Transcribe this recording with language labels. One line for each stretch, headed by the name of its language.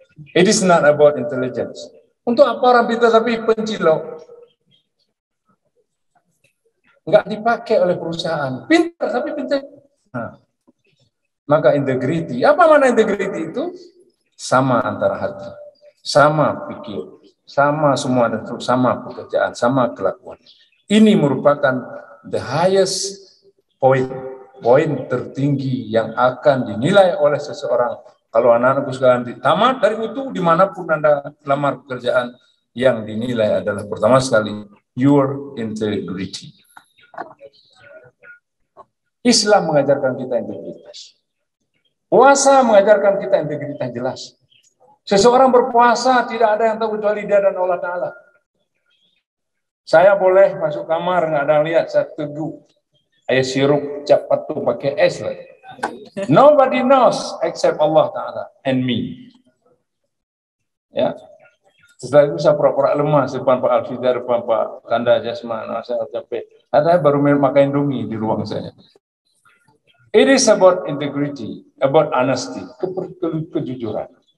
English: It is not about intelligence.
Indonesian: Untuk apa orang pintar tapi pencilok? Enggak dipakai oleh perusahaan. Pintar tapi pencilok. Nah, maka integrity. Apa makna integrity itu? Sama antara hati, sama pikir, sama semua dan sama pekerjaan, sama kelakuan. Ini merupakan
English: the highest point,
Indonesian: poin tertinggi yang akan dinilai oleh seseorang. Kalau anak-anakku sekalian ditamat dari itu, dimanapun Anda lamar pekerjaan, yang dinilai adalah pertama sekali,
English: your integrity.
Indonesian: Islam mengajarkan kita integritas. Puasa mengajarkan kita integritas jelas. Seseorang berpuasa tidak ada yang tahu kecuali dia dan Allah Ta'ala. Saya boleh masuk kamar, enggak ada yang lihat, saya teguh. Ayo sirup, cap patuh pakai es lah.
English: Nobody knows except Allah Ta'ala and me.
Indonesian: Ya. Setelah itu saya pura-pura lemah depan Pak Alfidar, depan Pak Kanda Jasman, saya capek. Ada baru makan indomie di ruang saya.
English: It is about integrity, about honesty,
Indonesian: kejujuran.